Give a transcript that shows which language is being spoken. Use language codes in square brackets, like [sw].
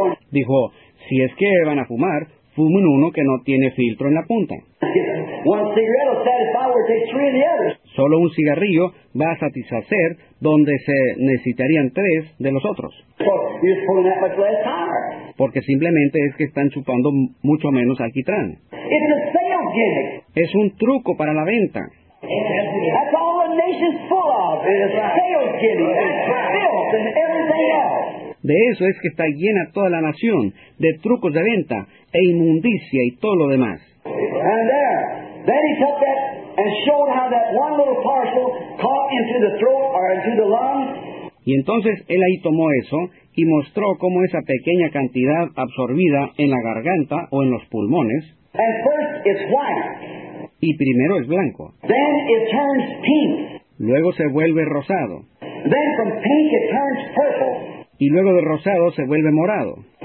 [es] Dijo, si es que van a fumar, fumen uno que no tiene filtro en la punta. [en] One cigarette will satisfy where it takes three of the others. [es] Solo un cigarrillo va a satisfacer donde se necesitarían tres de los otros. [en] Well, you're pulling that much less tar. [es] Porque simplemente es que están chupando mucho menos alquitrán. [en] It's a sales gimmick. [es] Es un truco para la venta. [en] That's all the nation's full of. It's a sales gimmick. Filth and everything else. [es] De eso es que está llena toda la nación de trucos de venta e inmundicia y todo lo demás. [en] And there, then he took that and showed how that one little parcel caught into the throat or into the lungs. [es] Y entonces él ahí tomó eso y mostró cómo esa pequeña cantidad absorbida en la garganta o en los pulmones. [en] And first it's white. [es] Y primero es blanco. [en] Then it turns pink. [es] Luego se vuelve rosado. [en] Then from pink it turns purple. [es] Y luego de rosado se vuelve morado.